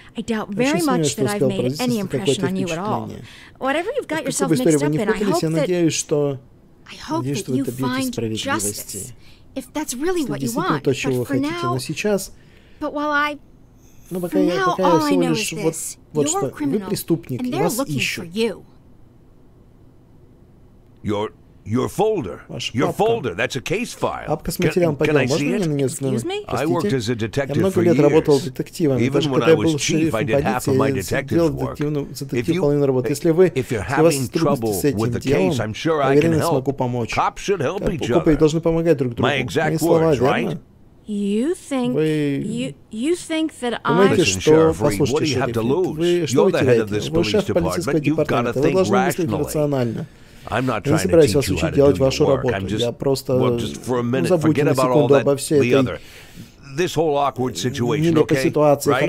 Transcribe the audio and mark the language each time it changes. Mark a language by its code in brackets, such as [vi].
[en] I doubt very much that I've made any impression on you at all. Whatever you've got yourself mixed up in, I hope that... [ru] Надеюсь, что вы добьетесь справедливости. [en] If that's really what you want. [ru] То, чего вы хотите, но сейчас... [en] But while I... [ru] Ну, пока я всего лишь вот что. Вы преступник, и вас ищут. [en] Your folder. Your folder. That's a case file. [ru] Папка с материалом по делу. Можно мне на неё взглянуть? [en] I worked as a detective for years. [ru] Я много лет работал детективом. [en] Even when I was chief, I did half of my detective work. [ru] Если вы с этим делом, уверен, я смогу помочь. [en] Cops should help each other. [ru] Копы должны помогать друг другу. [en] My exact words, right? You think that I... Listen, Sheriff Reed, what do you have to lose? You're the head of this police department. You've got to think rationally. I'm not trying to teach you how to do your work. I'm just, for a minute, forget about all that, the other. This whole awkward situation, okay? Right?